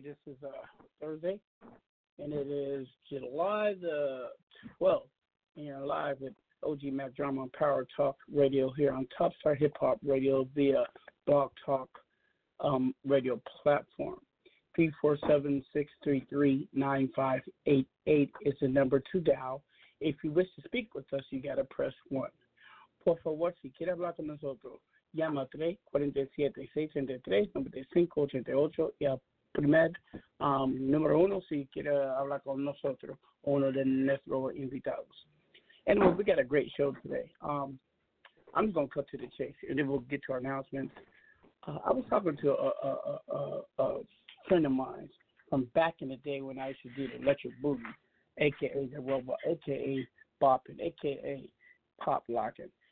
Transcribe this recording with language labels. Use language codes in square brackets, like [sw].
[en] This is Thursday, and it is July the 12th, and you're live with OG Mac Drama on Power Talk Radio here on Top Star Hip Hop Radio via Blog Talk radio platform. 347-633-9588 is the number to dial. If you wish to speak with us, you gotta press 1. [es] Por favor, si quiere hablar con nosotros, llama 347-633-9588 y al primer número 1 si quiere hablar con nosotros, uno de nuestros invitados. [en] Anyway, we got a great show today. I'm gonna cut to the chase and then we'll get to our announcements. I was talking to a friend of mine from back in the day when I used to do the Electric Boogie, a.k.a. the Robot, a.k.a. Bopping, a.k.a. Pop Locking.